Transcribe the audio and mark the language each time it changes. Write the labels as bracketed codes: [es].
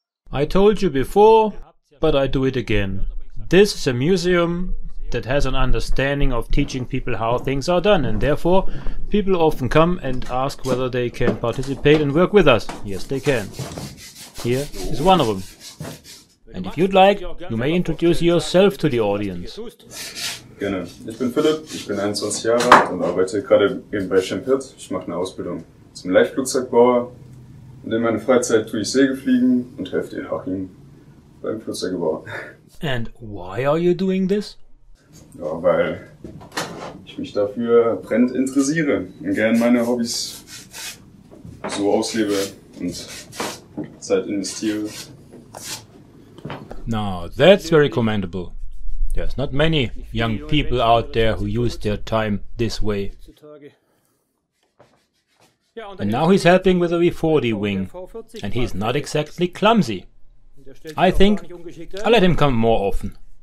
[en] I told you before, but I do it again. This is a museum that has an understanding of teaching people how things are done, and therefore people often come and ask whether they can participate and work with us. Yes, they can. Here is one of them. And if you'd like, you may introduce yourself to the audience. [de] Gerne. Ich bin Philipp, ich bin 21 Jahre alt und arbeite gerade eben bei Schempert. Ich mache eine Ausbildung zum Leichtflugzeugbauer. Und in meiner Freizeit tue ich Segelfliegen und helfe den Hacking beim Flugzeugbau. [en] And why are you doing this? [de] Ja, weil ich mich dafür brennend interessiere und gerne meine Hobbys so auslebe und Zeit investiere. [en] Now, that's very commendable. There's not many young people out there who use their time this way. And now he's helping with a V-40 wing, and he's not exactly clumsy. I think I'll let him come more often.